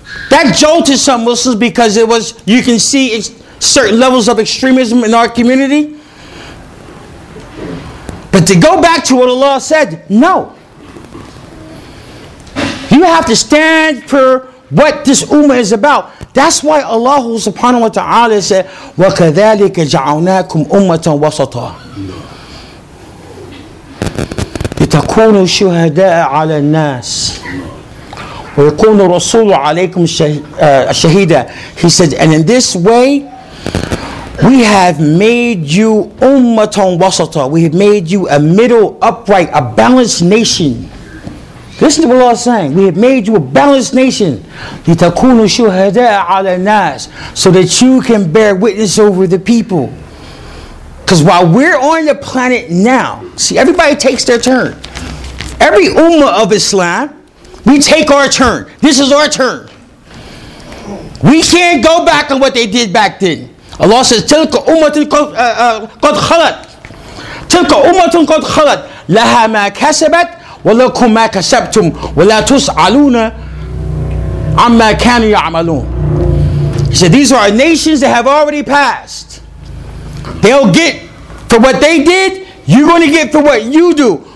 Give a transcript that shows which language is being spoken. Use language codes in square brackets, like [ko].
[en] That jolted some Muslims because it was, you can see certain levels of extremism in our community. But to go back to what Allah said, no. You have to stand for what this ummah is about. [ar] That's why Allah subhanahu wa ta'ala said, وَكَذَلِكَ جَعَوْنَاكُمْ أُمَّةً وَسَطًا لِتَكُونُوا شُهَدَاءَ عَلَى النَّاسِ وَيَكُونُ رَسُولُ عَلَيْكُمْ شَهِيدًا. [en] He said, and in this way, we have made you [ar] أُمَّةً وَسَطًا. [en] We have made you a middle, upright, a balanced nation. Listen to what Allah is saying. We have made you a balanced nation. [ar] لِتَكُونُوا شُهَدَاءَ عَلَى النَّاسِ. [en] So that you can bear witness over the people. Because while we're on the planet now, see, everybody takes their turn. Every ummah of Islam, we take our turn. This is our turn. We can't go back on what they did back then. [ar] Allah says, تِلْكَ أُمَّةٌ قَدْ خَلَتْ. تِلْكَ أُمَّةٌ قَدْ خَلَتْ. لَهَا مَا كَسَبَتْ. وَلَكُمْ مَا كَسَبْتُمْ وَلَا تُسْعَلُونَ عَمَّا كَانُوا يَعْمَلُونَ. [en] He said, these are nations that have already passed. They'll get for what they did, you're going to get for what you do.